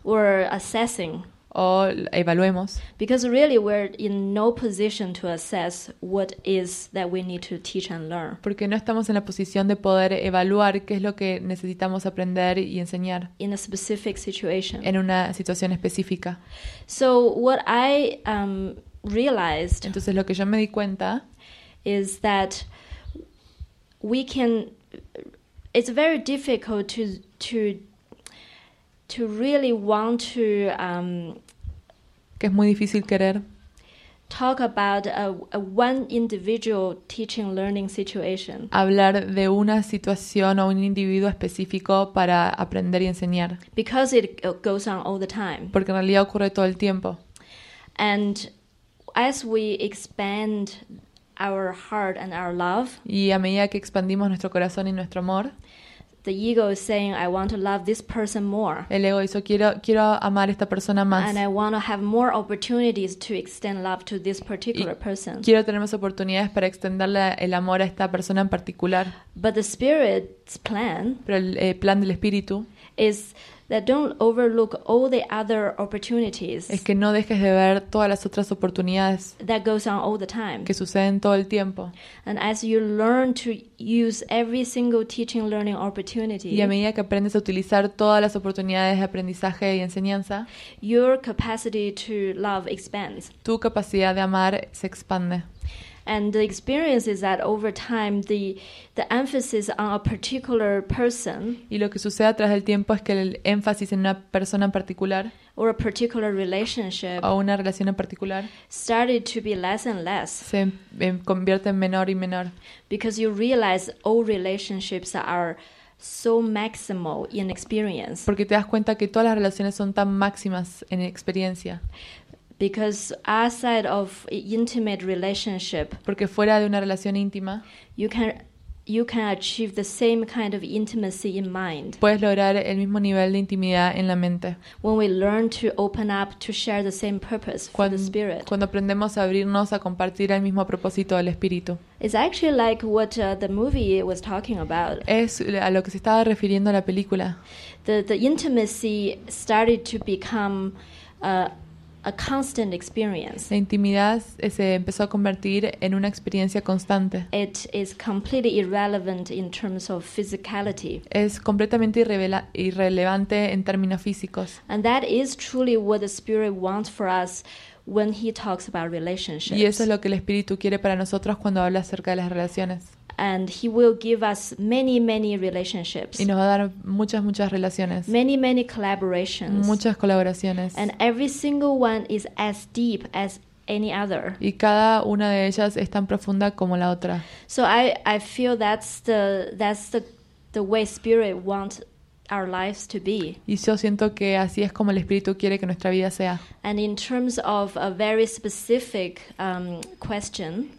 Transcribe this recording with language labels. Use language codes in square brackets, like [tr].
[en] Or assessing. [es] O evaluemos. [en] Because really we're in no position to assess what is that we need to teach and learn. [es] Porque no estamos en la posición de poder evaluar qué es lo que necesitamos aprender y enseñar. [en] In a specific situation. [es] En una situación específica. [en] So what I realized. [es] Entonces lo que yo me di cuenta [en] is that we can. It's very difficult to really want to [es] que es muy difícil querer [en] talk about a one individual teaching learning situation, [es] hablar de una situación o un individuo específico para aprender y enseñar, [en] because it goes on all the time, [es] porque en realidad ocurre todo el tiempo. [en] And as we expand our heart and our love, [es] y a medida que expandimos nuestro corazón y nuestro amor, [en] the ego is saying, "I want to love this person more." [es] El ego dice, quiero amar a esta persona más. [en] And I want to have more opportunities to extend love to this particular person. [es] Quiero tener más oportunidades para extenderle el amor a esta persona en particular. [en] But the spirit's plan. [es] Pero el plan del espíritu [en] is that don't overlook all the other opportunities. [es] Es que no dejes de ver todas las otras oportunidades. [en] That goes on all the time. [es] Que suceden todo el tiempo. [en] And as you learn to use every single teaching learning opportunity. [es] Y a medida que aprendes a utilizar todas las oportunidades de aprendizaje y enseñanza, [en] your capacity to love expands. [es] Tu capacidad de amar se expande. [en] And the experience is that over time the emphasis on a particular person, [es] y lo que sucede a través del tiempo es que el énfasis en una persona en particular, [en] or a particular relationship, [es] o una relación en particular, [en] started to be less and less, [es] se convierte en menor y menor, [en] because you realize all relationships are so maximal in experience, [es] porque te das cuenta que todas las relaciones son tan máximas en experiencia. [en] Because outside of intimate relationship, [es] porque fuera de una relación íntima, [en] you can achieve the same kind of intimacy in mind. [es] Puedes lograr el mismo nivel de intimidad en la mente. [en] When we learn to open up to share the same purpose for the spirit. [es] Cuando aprendemos a abrirnos a compartir el mismo propósito del espíritu. [en] It's actually like what the movie was talking about. [es] Es a lo que se estaba refiriendo la película. [en] The intimacy started to become a constant experience. [es] La intimidad se empezó a convertir en una experiencia constante. [en] It is completely irrelevant in terms of physicality. [es] Es completamente irrelevante en términos físicos. [en] And that is truly what the spirit wants for us when he talks about relationships. [es] Y eso es lo que el espíritu quiere para nosotros cuando habla acerca de las relaciones. [en] And he will give us many, many relationships. [es] Y nos va a dar muchas, muchas relaciones. [en] Many, many collaborations. [es] Muchas colaboraciones. [en] And every single one is as deep as any other. [es] Y cada una de ellas es tan profunda como la otra. [en] So I feel that's the way spirit wants our lives to be. [es] Y yo siento que así es como el espíritu quiere que nuestra vida sea. [en] And in terms of a very specific question,